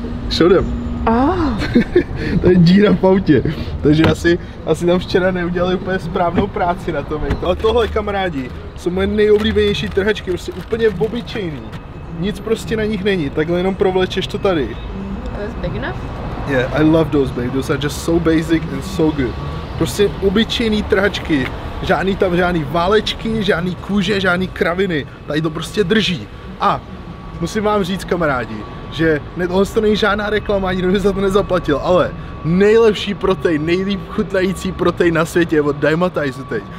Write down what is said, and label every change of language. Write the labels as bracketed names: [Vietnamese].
[Czech] Šodem. To je díra v autě, takže asi tam včera neudělali úplně správnou práci na tom. Ale tohle, kamarádi, jsou moje nejoblíbenější trhačky, prostě úplně obyčejný. Nic prostě na nich není, takhle jenom provlečeš to tady. [English] That's big enough? Yeah, I love those, babe, those are just so basic and so good. [Czech] Prostě obyčejný trhačky, žádný tam žádný válečky, žádný kůže, žádný kraviny, tady to prostě drží. A musím vám říct, kamarádi, že tohle to není žádná reklama, nikdo mi za to nezaplatil, ale nejlepší protein, nejlíp chutnající protein na světě je od Dymatize teď.